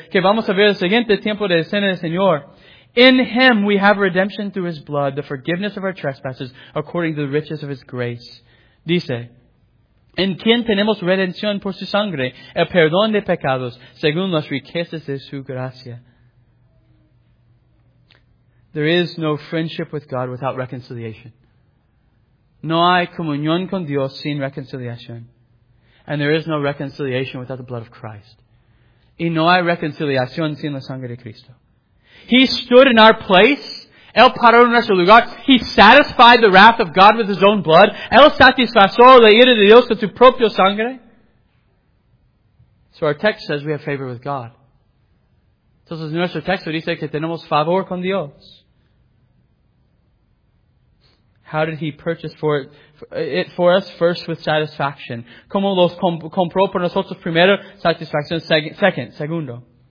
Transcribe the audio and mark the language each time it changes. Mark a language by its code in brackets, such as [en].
[es] Que vamos a ver el siguiente tiempo de cena del Señor. [en] In Him we have redemption through His blood, the forgiveness of our trespasses, according to the riches of His grace. [es] Dice, en quien tenemos redención por su sangre, el perdón de pecados, según las riquezas de su gracia. [en] There is no friendship with God without reconciliation. [es] No hay comunión con Dios sin reconciliación. [en] And there is no reconciliation without the blood of Christ. [es] Y no hay reconciliación sin la sangre de Cristo. [en] He stood in our place. [es] Él paró en nuestro lugar. [en] He satisfied the wrath of God with His own blood. [es] Él satisfizó la ira de Dios con su propia sangre. [en] So our text says we have favor with God. [es] Entonces nuestro texto dice que tenemos favor con Dios. [en] How did He purchase for us? First, with satisfaction. [es] ¿Cómo los compró por nosotros? Primero, satisfacción. Segundo.